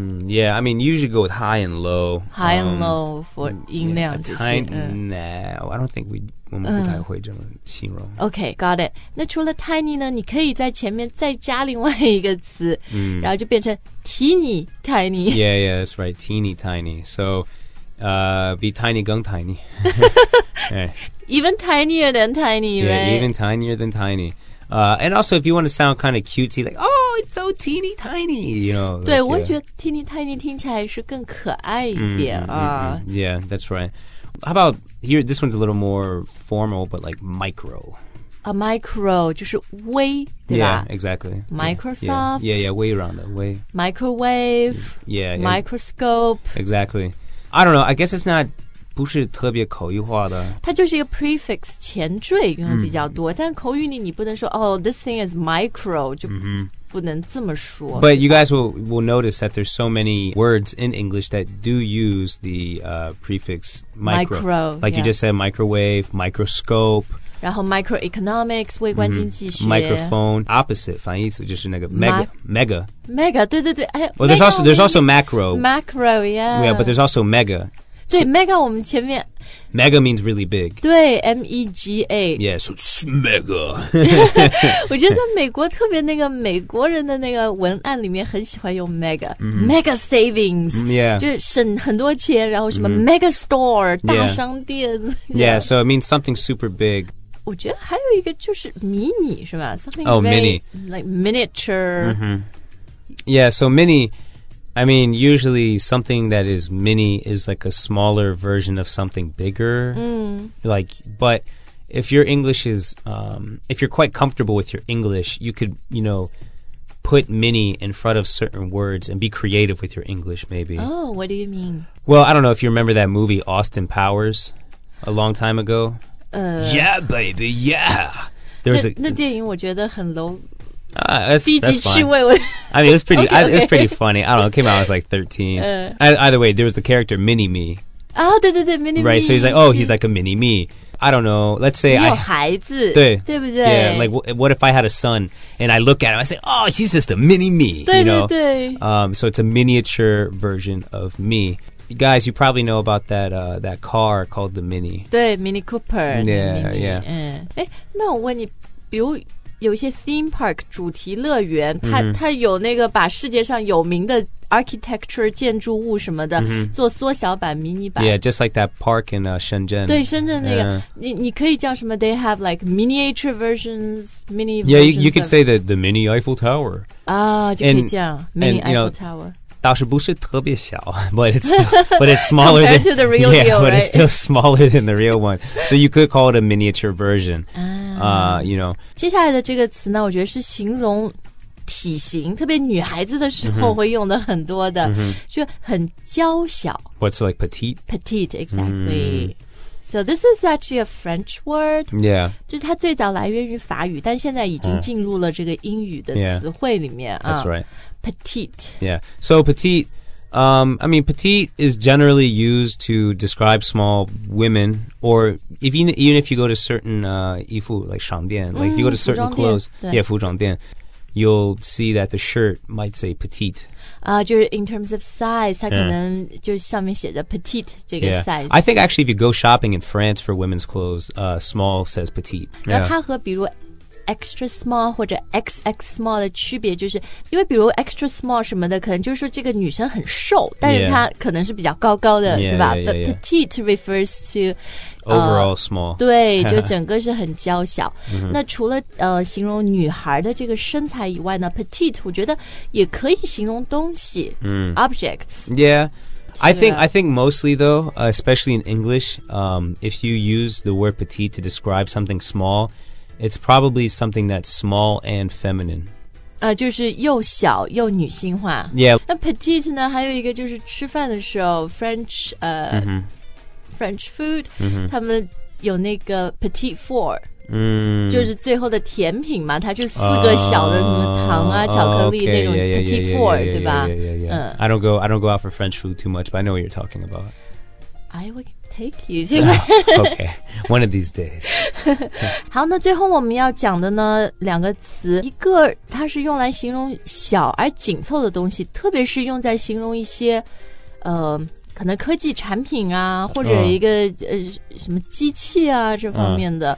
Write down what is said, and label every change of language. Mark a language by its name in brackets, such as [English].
[English] Yeah, I mean, you usually go with high and low. High and low for [Chinese] 音量这些 [English] Nah, I don't think we [Chinese] 不太会这么形容 [English] Okay, got it. [Chinese] 那除了 tiny 呢你可以在前面再加另外一个词、然后就变成 teeny tiny. [English] Yeah, yeah, that's right, teeny tiny. So, be tiny [Chinese] 更 [English] tiny. even tinier than tiny, yeah, right? Yeah, even tinier than tiny. And also, if you want to sound kind of cutesy, like, oh, it's so teeny tiny, you know. [Chinese] 对、 [English] like, [Chinese] 我觉得 teeny tiny 听起来是更可爱一点、 [English] Yeah, that's right. How about here, this one's a little more formal, but like micro. [Chinese] A micro, 就是微对吧 [English] Yeah, exactly. Microsoft. Yeah, yeah, yeah, way around that, way. Microwave. Yeah. Microscope. Yeah. Exactly. I don't know, I guess it's not... [Chinese] 不是特别口语化的它就是一个 prefix 前缀用比较多、但口语里你不能说 [English] Oh, this thing is micro [Chinese] 就不能这么说 [English] But you guys will notice that there's so many words in English that do use the prefix micro Like、 yeah. you just said microwave, microscope [Chinese] 然后 microeconomics 微观经济学、 [English] microphone opposite [Chinese] 反义词就是那个 mega mega 对对对、 [English] well, there's also macro yeah yeah but there's also mega [Chinese] 对 ，mega 我们前面 [English] mega means really big. [Chinese] 对 ，mega. [English] Yes, it's mega. [Chinese] 我觉得在美国特别那个美国人的那个文案里面很喜欢用 mega,、mm-hmm. [English] mega savings,、 mm-hmm. yeah. [Chinese] 就是省很多钱，然后什么、mm-hmm. mega store 大商店。 [English] Yeah. Yeah, so it means something super big. [Chinese] 我觉得还有一个就是迷你是吧 [English] Oh, very, mini. Like miniature.、 Mm-hmm. Yeah, so mini, I mean, usually something that is mini is like a smaller version of something bigger.、 Mm. Like, but if your English is,、if you're quite comfortable with your English, you could, you know, put mini in front of certain words and be creative with your English maybe. Oh, what do you mean? Well, I don't know if you remember that movie Austin Powers a long time ago. Yeah, baby, yeah. There's [Chinese] 那电影我觉得很 low. [English] That's fine. I mean, it was pretty, okay, okay. It was pretty funny. I don't know, it came out when I was like 13. Either way, there was the character Mini-Me. [Chinese] Oh, 对对对 Mini-Me. [English] Right, so he's like, oh, he's like a Mini-Me. I don't know, let's say [Chinese] 你有孩子对, 对不对 [English] Yeah, like what if I had a son and I look at him, I say, oh, he's just a Mini-Me. [Chinese] 对对对 [English] you know? So it's a miniature version of me. Guys, you probably know about that car called the Mini. [Chinese] 对 ,Mini Cooper. [English] Yeah, Mini, yeah. [Chinese] 那我问你比如有一些 theme park, 主题乐园、mm-hmm. 它有那个把世界上有名的 architecture, 建筑物什么的、mm-hmm. 做缩小版 ,mini 版。 [English] Yeah, just like that park in Shenzhen. [Chinese] 对深圳那个、你可以叫什么 , [English] they have like miniature versions, mini versions. Yeah, you could say the Mini Eiffel Tower. [Chinese] 啊、oh, 就可以这样 ,Mini Eiffel [English] you know, [Chinese] Tower. 倒是不是特别小 [English] but it's smaller compared than, to the real yeah, deal but、 right? it's still smaller than the real one so you could call it a miniature version、you know [Chinese] 接下来的这个词呢我觉得是形容体型特别女孩子的时候会用的很多的、mm-hmm. 就很娇小 [English] what's like petite petite exactly、mm-hmm. so this is actually a French word yeah [Chinese] 就是它最早来源于法语但现在已经进入了这个英语的词汇里面、 [English] yeah. that's right Petite. Yeah. So petite, I mean, petite is generally used to describe small women or even if you go to certain [Chinese] 衣服 [English] like [Chinese] 商店 [English] like if you go to certain clothes, [Chinese] 服装店 [English] you'll see that the shirt might say petite. [Chinese] 就是 [English] in terms of size, [Chinese] 它可能就上面写的 petite 这个 size. [English] I think actually if you go shopping in France for women's clothes, small says petite. [Chinese] 那它和比如extra small 或者 XX small 的区别就是因为比如 extra small 什么的可能就是说这个女生很瘦但是她可能是比较高高的 [English] yeah, [Chinese] 对吧 [English] yeah, yeah, yeah. The petite refers to overall small [Chinese] 对就整个是很娇小那除了形容女孩的这个身材以外呢 petite 我觉得也可以形容东西、objects [English] yeahI think mostly though, especially in English, if you use the word petite to describe something smallIt's probably something that's small and feminine. [Chinese] 就是又小又女性化。 [English] Yeah. [Chinese] 那 petite 呢还有一个就是吃饭的时候 French,French food,他们有那个 petite four,就是最后的甜品嘛它就四个小的什么糖啊、巧克力、 [English] okay. [Chinese] 那种 petite four, 对吧 [English] yeah. I don't go out for French food too much, but I know what you're talking about. I would... Take you to okay, one of these days. [Chinese] 好，那最后我们要讲的呢，两个词，一个它是用来形容小而紧凑的东西，特别是用在形容一些，可能科技产品啊，或者一个、什么机器啊这方面的。